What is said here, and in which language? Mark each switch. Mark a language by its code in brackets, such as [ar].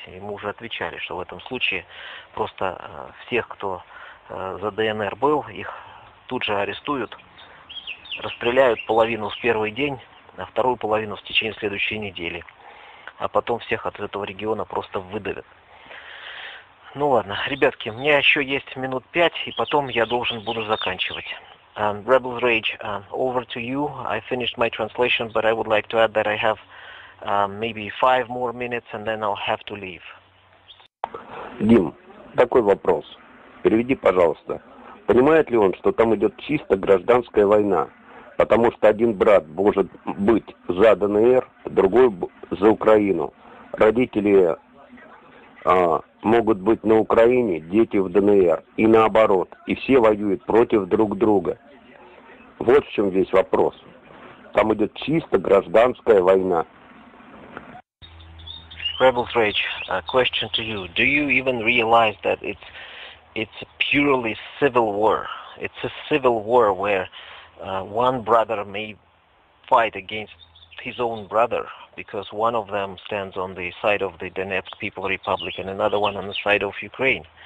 [ru] Ему уже отвечали, что в этом случае просто всех, кто за ДНР был, их тут же арестуют, расстреляют половину в первый день, а вторую половину в течение следующей недели. А потом всех от этого региона просто выдавят. Ну ладно, ребятки, у меня еще есть минут 5, и потом я должен буду заканчивать. [en] Rebel Rage, over to you. I finished my translation, but I would like to add that I have maybe 5 more minutes, and then I'll have to leave. [ru] Дим, такой вопрос. Переведи, пожалуйста. Понимает ли он, что там идет чисто гражданская война? Потому что один брат может быть за ДНР, другой за Украину. Родители могут быть на Украине, дети в ДНР. И наоборот. И все воюют против друг друга. Вот в чем весь вопрос. Там идет чисто гражданская война. [en] Rebel Rage, a question to you. Do you even realize that it's a purely civil war? It's a civil war where one brother may fight against his own brother because one of them stands on the side of the Donetsk People's Republic and another one on the side of Ukraine.